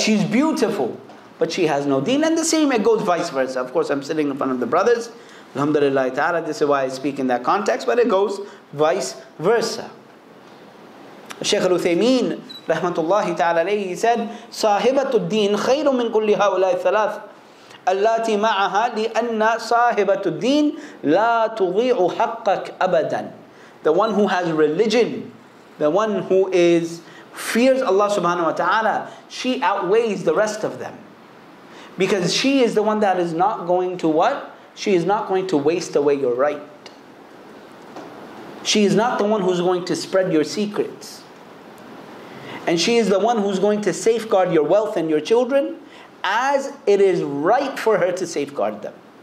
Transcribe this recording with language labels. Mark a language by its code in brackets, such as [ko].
[en] She's beautiful, but she has no deen. And the same, it goes vice versa. Of course, I'm sitting in front of the brothers. Alhamdulillah ta'ala, this is why I speak in that context, but it goes vice versa. Shaykh al-Uthaymeen, rahmatullahi ta'ala alayhi, he said, [ar] صاحبة الدين خير من كل هؤلاء الثلاث اللاتي معها لأن صاحبة الدين لا تضيع حقك أبدا. [en] The one who has religion, the one who is fears Allah subhanahu wa ta'ala, she outweighs the rest of them. Because she is the one that is not going to what? She is not going to waste away your right. She is not the one who's going to spread your secrets. And she is the one who's going to safeguard your wealth and your children as it is right for her to safeguard them.